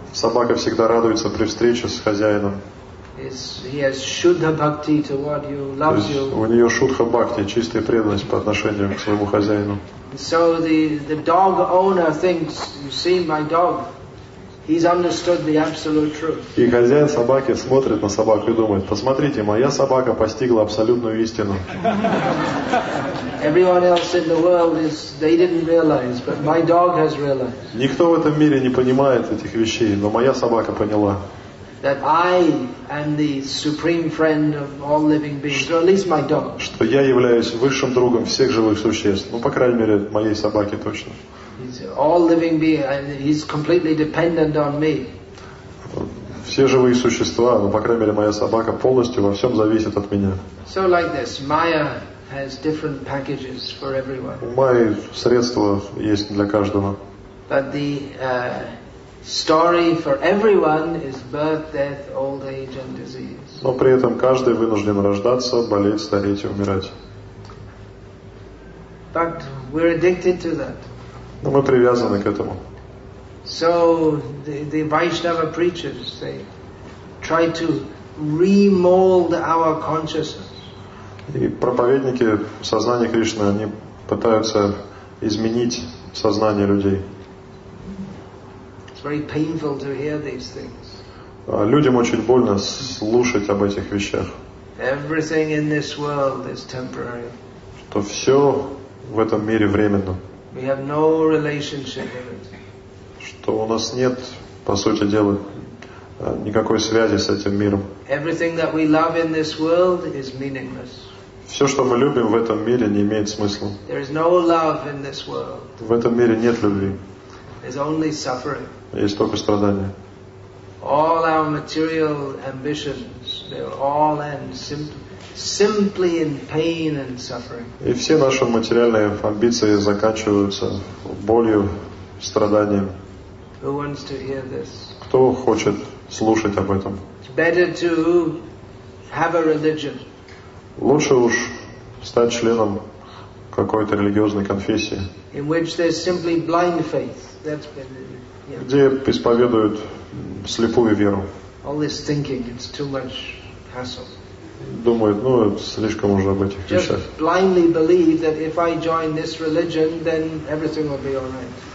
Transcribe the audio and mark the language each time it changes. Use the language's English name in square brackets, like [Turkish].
[Russian] Собака всегда радуется при встрече с хозяином. [English] He has Shuddha Bhakti toward you, loves you. [Russian] У нее Shuddha Bhakti, чистая преданность по отношению к своему хозяину. [English] So the dog owner thinks, you see my dog. He's understood the absolute truth. [Russian] И хозяин собаки смотрит на собаку и думает: посмотрите, моя собака постигла абсолютную истину. [English] Everyone else in the world is, they didn't realize, but my dog has realized. [Russian] Никто в этом мире не понимает этих вещей, но моя собака поняла. [English] That I am the supreme friend of all living beings, or at least my dog. [Russian] Что я являюсь высшим другом всех живых существ, ну по крайней мере моей собаке точно. [English] All living beings, and he's completely dependent on me. [Russian] Все живые существа, ну, по крайней мере, моя собака полностью во всем зависит от меня. [English] So like this, Maya has different packages for everyone. [Russian] У Майи средства есть для каждого. [English] But the story for everyone is birth, death, old age, and disease. [Russian] Но при этом каждый вынужден рождаться, болеть, стареть и умирать. [English] But we're addicted to that. [Russian] Но мы привязаны к этому. [English] So the Vaishnava preachers, they try to remold our consciousness. [Russian] И проповедники сознания Кришны, они пытаются изменить сознание людей. [English] It's very painful to hear these things. [Russian] Людям очень больно слушать об этих вещах. [English] Everything in this world is temporary. [Russian] Что все в этом мире временно. [English] We have no relationship with it. [Russian] Что у нас нет, по сути дела, никакой связи с этим миром. [English] Everything that we love in this world is meaningless. [Russian] Все, что мы любим в этом мире, не имеет смысла. [English] There is no love in this world. [Russian] В этом мире нет любви. [English] is only suffering. [Russian] Есть только страдания. [English] All our material ambitions, they all end simply in pain and suffering. [Russian] И все наши материальные амбиции заканчиваются болью, страданием. [English] Who wants to hear this? [Russian] Кто хочет слушать об этом? [English] It's better to have a religion. [Russian] Лучше уж стать членом какой-то религиозной конфессии. [English] In which there's simply blind faith. That's been, yeah. [Russian] Где исповедуют слепую веру. [English] All this thinking, it's too much hassle. [Russian] Думают, ну, слишком уже об этих [English] Just [Russian] вещах. [English] Blindly believe that if I join this religion, then everything will be all right.